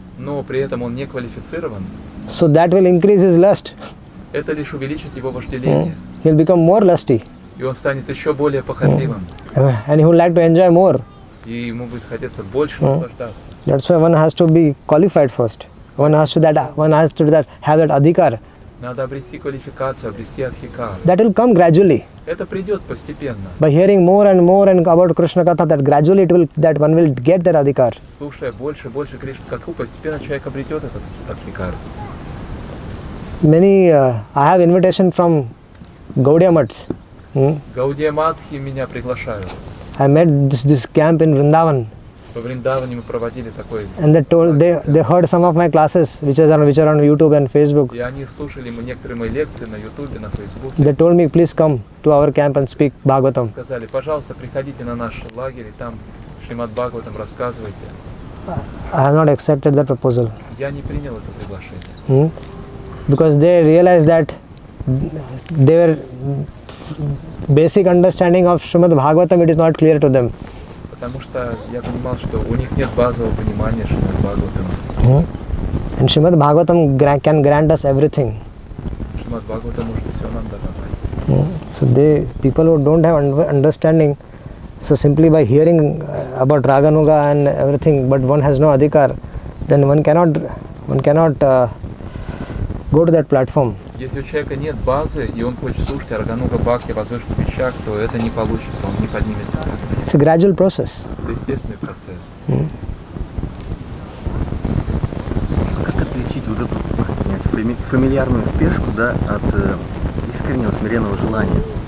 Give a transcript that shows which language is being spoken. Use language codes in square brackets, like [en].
[ru] Но при этом он не квалифицирован. [en] So that will increase his lust. [ru] Это лишь увеличит его вожделение. [en] He'll become more lusty. [ru] И он станет еще более похотливым. [en] And he would like to enjoy more. [ru] И ему будет хотеться больше наслаждаться. [en] That's why one has to be qualified first. One has to have that adhikar. [ru] Надо обрести квалификацию, обрести адхикар. [en] That will come gradually. [ru] Это придет постепенно. [en] By hearing more and more and about Krishna Katha, that gradually it will, that one will get that adhikar. [ru] Слушая больше и больше Кришна Катху, постепенно человек обретет этот адхикар. [en] Many I have invitation from Gaudiya Mathas. [ru] Gaudiya Mathas меня приглашают. [en] I met this camp in Vrindavan. [ru] Во Вриндаване мы проводили такой. [en] And they heard some of my classes, which are on YouTube and Facebook. [ru] И они слушали некоторые мои лекции на YouTube, на Facebook. [en] They told me, please come to our camp and speak Bhagavatam. [ru] Сказали, пожалуйста, приходите на наш лагерь и там Шримад Бхагаватам рассказывайте. [en] I have not accepted that proposal. [ru] Я не принял это приглашение. [en] Because they realized that their basic understanding of Shrimad Bhagavatam, it is not clear to them. [ru] Потому что я понимал, что у них нет базового понимания Шримад Бхагаватам. [en] And Shrimad Bhagavatam can grant us everything. [ru] Shrimad Bhagavatam может все нам дать. [en] So they, people who don't have understanding, so simply by hearing about Raganuga and everything, but one has no adhikar, then one cannot go to that platform. [ru] Если у человека нет базы и он хочет слушать Рагануга Бхакти, возвышенных вещах, то это не получится, он не поднимется. [en] It's a gradual process. [ru] Это естественный процесс. А как отличить вот эту фамильярную спешку, да, от искреннего смиренного желания?